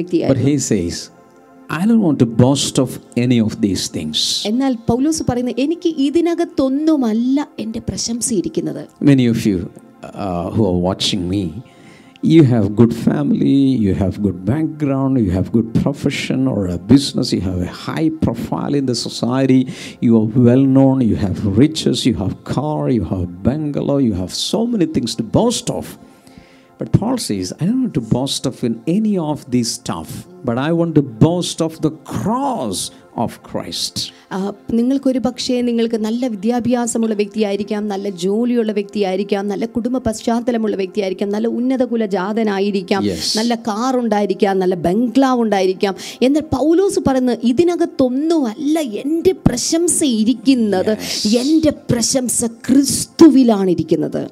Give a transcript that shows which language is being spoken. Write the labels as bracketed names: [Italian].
[English] But he says, I don't want to boast of any of these things. [Malayalam] എന്നാൽ പൗലോസ് പറയുന്നു, എനിക്ക് ഇതിനകത്തൊന്നുമല്ല എൻ്റെ പ്രശംസ ഇരിക്കുന്നത്. [English] Many of you who are watching me, you have good family, you have good background, you have good profession or a business, you have a high profile in the society, you are well known, you have riches, you have car, you have bungalow, you have so many things to boast of. But Paul says, I don't want to boast of in any of this stuff but I want to boast of the cross of Christ. [Malayalam] നിങ്ങൾക്ക് ഒരു പക്ഷേ നിങ്ങൾക്ക് നല്ല വിദ്യാഭ്യാസമുള്ള വ്യക്തിയായിരിക്കാം, നല്ല ജോലിയുള്ള വ്യക്തിയായിരിക്കാം, നല്ല കുടുംബ പശ്ചാത്തലമുള്ള വ്യക്തിയായിരിക്കാം, നല്ല ഉന്നത കുല ജാതനായിരിക്കാം, നല്ല കാർ ഉണ്ടായിരിക്കാം, നല്ല ബംഗ്ലാവ് ഉണ്ടായിരിക്കാം. എന്നാൽ പൗലോസ് പറയുന്നത് ഇതിനകത്തൊന്നും അല്ല എൻ്റെ പ്രശംസ ഇരിക്കുന്നത്, എൻ്റെ പ്രശംസ ക്രിസ്തുവിലാണിരിക്കുന്നത്,